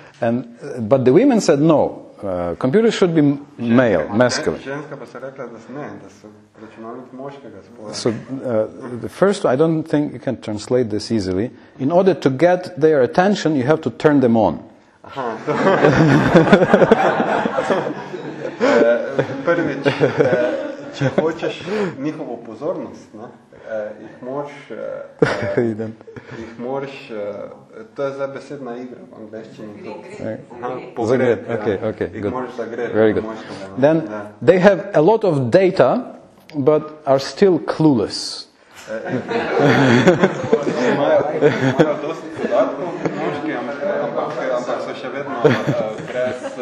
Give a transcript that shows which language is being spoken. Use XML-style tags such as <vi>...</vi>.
<en>And, but the women said no, computer should be male, masculine.</en> <sl>Ženska pa se rekla, da ne, da so računalnik moškega spola.</sl> <en>So, the first, I don't think you can translate this easily. In order to get their attention, you have to turn them on.</en> <sl>Prvič, če hočeš njihovo pozornost, ne, jih moraš, to je zdaj besedna igra v angleščini.</sl> <en>Very good. Then they have a lot of data, but are still clueless.</en> <sl>Imajo dosti podatkov, moški, ampak so še vedno</sl>